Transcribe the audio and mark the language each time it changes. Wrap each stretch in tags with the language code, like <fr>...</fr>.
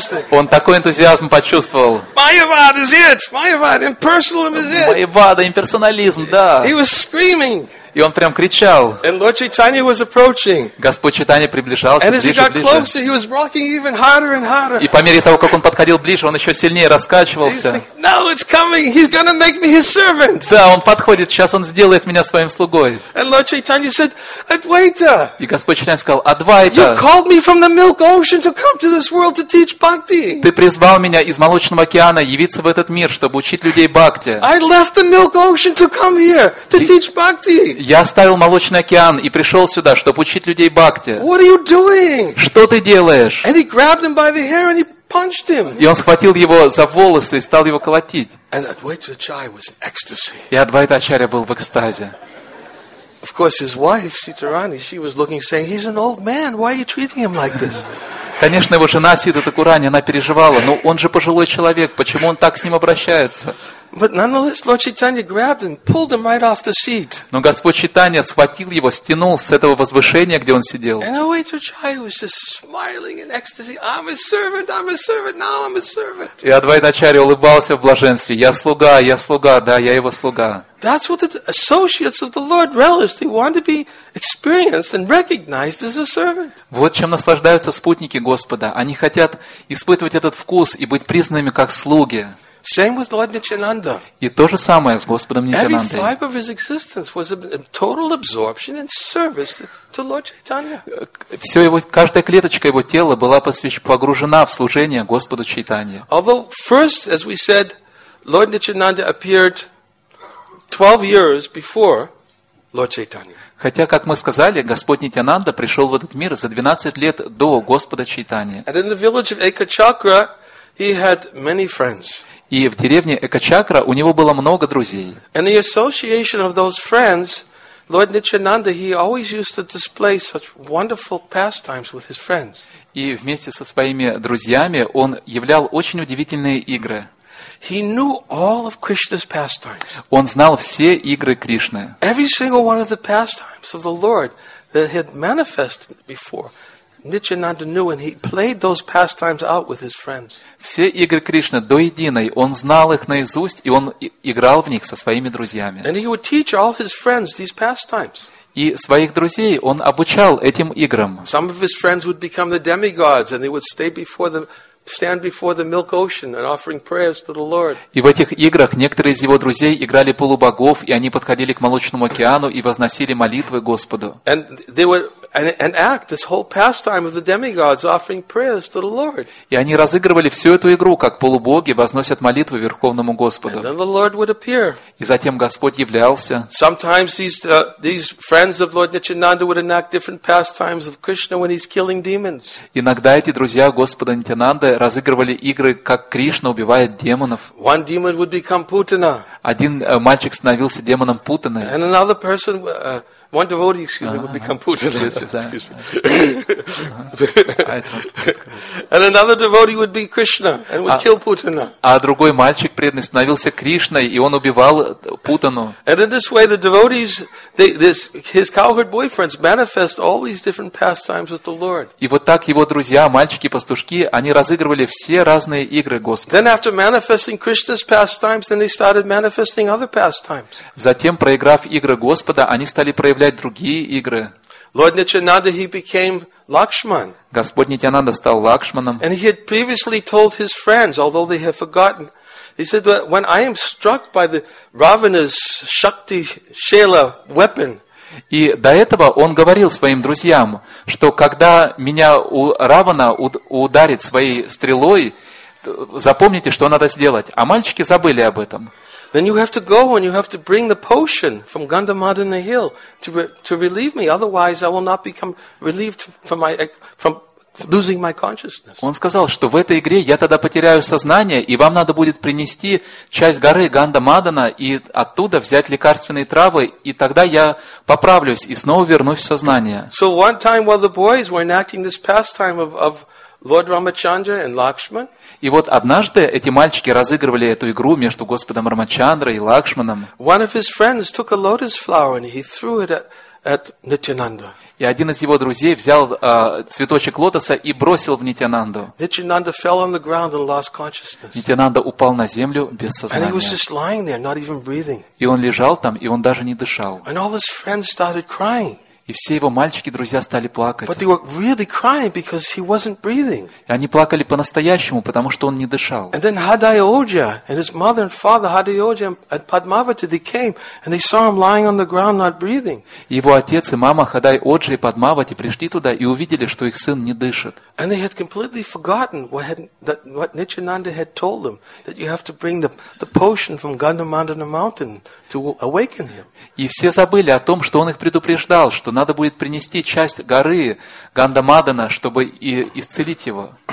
<ru>Он такой энтузиазм почувствовал. Майявада, имперсонализм, да. Он кричал. И он прям кричал.</ru> <en>And Lord Chaitanya was approaching.</en> <ru>Господь Чайтанья приближался ближе, ближе.</ru> <en>And as he got closer, he was rocking even harder and harder.</en> <ru>И по мере того, как он подходил ближе, он еще сильнее раскачивался.</ru> <en>Now it's coming. He's gonna make me his servant.</en> <ru>Да, он подходит. Сейчас он сделает меня своим слугой.</ru> <en>And Lord Chaitanya said, Advaita.</en> <ru>И Господь Чайтанья сказал, Адвайта.</ru> <en>You called me from the milk ocean to come to this world to teach bhakti.</en> <ru>Ты призвал меня из молочного океана явиться в этот мир, чтобы учить людей бхакти.</ru> <en>I left the milk ocean to come here to teach bhakti.</en> <ru>Я оставил молочный океан и пришел сюда, чтобы учить людей бхакти.</ru> <en>What are you doing?</en> <ru>Что ты делаешь?</ru> <en>And he grabbed him by the hair and he punched him.</en> <ru>И он схватил его за волосы и стал его колотить.</ru> <en>And Advaita Acharya was in ecstasy.</en> <ru>И Адвайта Ачарья был в экстазе.</ru> <en>Of course, his wife Sitarani, she was looking, saying, "He's an old man. Why are you treating him like this?"</en> <ru>Конечно, его жена Сита Такурани, она переживала, но он же пожилой человек, почему он так с ним обращается?</ru> <en>But nonetheless, Lord Chaitanya grabbed him, pulled him right off the seat.</en> <ru>Но Господь Чайтанья схватил его, стянул с этого возвышения, где он сидел.</ru> <en>And Advaita Acharya was just smiling in ecstasy. I'm a servant, I'm a servant, now I'm a servant.</en> <ru>И Адвайта Ачарья улыбался в блаженстве. Я слуга, да, я его слуга.</ru> <en>That's what the associates of the Lord relished. They want to be experienced and recognized as a servant.</en> <ru>Вот чем наслаждаются спутники Господа. Они хотят испытывать этот вкус и быть признанными как слуги.</ru> <en>Same with Lord Nityananda.</en> <ru>И то же самое с Господом Нитянандой.</ru> <en>Every fiber of his existence was a total absorption in service to Lord Chaitanya.</en> <ru>Все его, каждая клеточка его тела была погружена в служение Господу Чайтанье.</ru> <en>Although first, as we said, Lord Nityananda appeared 12 years before Lord Chaitanya.</en> <ru>Хотя, как мы сказали, Господь Нитянанда пришел в этот мир за 12 лет до Господа Чайтанья.</ru> <en>And in the village of Ekachakra, he had many friends.</en> <ru>И в деревне Экачакра у него было много друзей.</ru> <en>And the association of those friends, Lord Nityananda, he always used to display such wonderful pastimes with his friends.</en> <ru>И вместе со своими друзьями он являл очень удивительные игры.</ru> <en>He knew all of Krishna's pastimes.</en> <ru>Он знал все игры Кришны.</ru> <en>Every single one of the pastimes of the Lord that had manifested before. Nityananda knew, and he played those pastimes out with his friends.</en> <ru>Все игры Кришны до единой, он знал их наизусть, и он играл в них со своими друзьями.</ru> <en>And he would teach all his friends these pastimes.</en> <ru>И своих друзей он обучал этим играм.</ru> <en>Some of his friends would become the demigods, and they would stand before the milk ocean and offering prayers to the Lord.</en> <ru>И в этих играх некоторые из его друзей играли полубогов, и они подходили к молочному океану и возносили молитвы Господу.</ru> <en>And they would an act this whole pastime of the demigods offering prayers to the Lord.</en> <ru>И они разыгрывали всю эту игру, как полубоги возносят молитвы Верховному Господу.</ru> <en>And then the Lord would appear.</en> <ru>И затем Господь являлся.</ru> <en>Sometimes these friends of Lord Nityananda would enact different pastimes of Krishna when he's killing demons.</en> <ru>Иногда эти друзья Господа Нитянанды разыгрывали игры, как Кришна убивает демонов.</ru> <en>One demon would become Putana.</en> <ru>Один мальчик становился демоном Путаны.</ru> <en>And another person, one devotee, excuse me, would become Putana. And another devotee would be Krishna and would kill Putana.</en> <ru>А другой мальчик преданный становился Кришной, и он убивал Путану.</ru> <en>And in this way, the devotees, his cowherd boyfriends, manifest all these different pastimes with the Lord.</en> <ru>И вот так его друзья, мальчики, пастушки, они разыгрывали все разные игры Господа.</ru> <en>Then after manifesting Krishna's pastimes, then they started manifesting other pastimes.</en> <ru>Затем, проиграв игры Господа, они стали проявлять другие игры.</ru> <en>Lord Nityananda, he became Lakshman.</en> <ru>Господь Нитянанда стал Лакшманом.</ru> <en>And he had previously told his friends, although they have forgotten. He said, when I am struck by the Ravana's Shakti Shela weapon.</en> <ru>И до этого он говорил своим друзьям, что когда меня у Равана ударит своей стрелой, запомните, что надо сделать. А мальчики забыли об этом.</ru> <en>Then you have to go and you have to bring the potion from Gandhamadana Hill to relieve me. Otherwise, I will not become relieved from my from losing my consciousness.</en> <ru>Он сказал, что в этой игре я тогда потеряю сознание, и вам надо будет принести часть горы Гандамадана и оттуда взять лекарственные травы, и тогда я поправлюсь и снова вернусь в сознание.</ru> <en>So one time while the boys were enacting this pastime of Lord Ramachandra and Lakshman.</en> <ru>И вот однажды эти мальчики разыгрывали эту игру между Господом Рамачандрой и Лакшманом.</ru> <en>One of his friends took a lotus flower and he threw it at Nityananda.</en> <ru>И один из его друзей взял цветочек лотоса и бросил в Нитянанду.</ru> <en>Nityananda fell on the ground and lost consciousness.</en> <ru>Нитянанда упал на землю без сознания.</ru> <en>And he was just lying there, not even breathing.</en> <ru>И он лежал там, и он даже не дышал.</ru> <en>And all his friends started crying.</en> <ru>И все его мальчики, друзья, стали плакать.</ru> <en>But they were really crying because he wasn't breathing.</en> <ru>И они плакали по-настоящему, потому что он не дышал.</ru> <en>And then Hadayoja and his mother and father, Hadayoja and Padmavati, they came and they saw him lying on the ground, not breathing.</en> <ru>Его отец и мама Хадайоджа и Падмавати пришли туда и увидели, что их сын не дышит.</ru> <en>And they had completely forgotten what Nityananda had told them, that you have to bring the potion from Gandhamadana mountain to awaken him.</en> <ru>И все забыли о том, что он их предупреждал, что надо будет принести часть горы Гандамадана, чтобы и исцелить его.</ru>